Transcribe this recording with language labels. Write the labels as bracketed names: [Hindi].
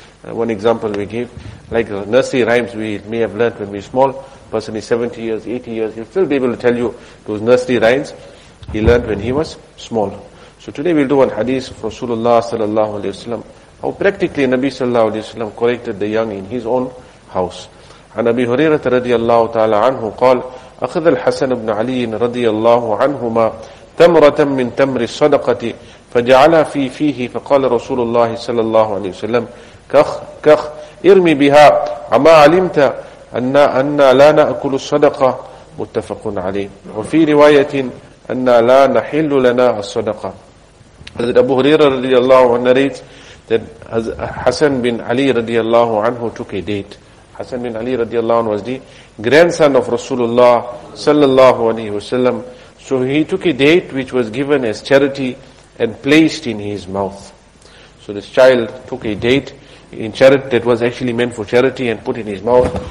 [English] One example we give, like nursery rhymes we may have learned when we were small. Person is 70 years, 80 years, he'll still be able to tell you those nursery rhymes he learned when he was small. So today we'll do one hadith of Rasulullah sallallahu alayhi wa sallam, how practically Nabi sallallahu alayhi wa sallam corrected the young in his own house. [Arabic] عن أبي هريرة رضي الله تعالى عنه قال أخذ الحسن بن علي رضي الله عنهما تمرة من تمر الصدقة فجعلها في فيه فقال رسول الله صلى الله عليه وسلم كخ كخ ارمي بها أما علمت أن لا نأكل الصدقة متفق عليه وفي رواية أن لا نحل لنا الصدقة. [English] أبو هريرة [Arabic] رضي الله عنه [English] narrates that حسن بن علي رضي الله عنه took a date. Hassan bin Ali radiallahu anhu was the grandson of Rasulullah sallallahu alayhi wa sallam. So he took a date which was given as charity and placed in his mouth. So this child took a date in charity that was actually meant for charity and put in his mouth.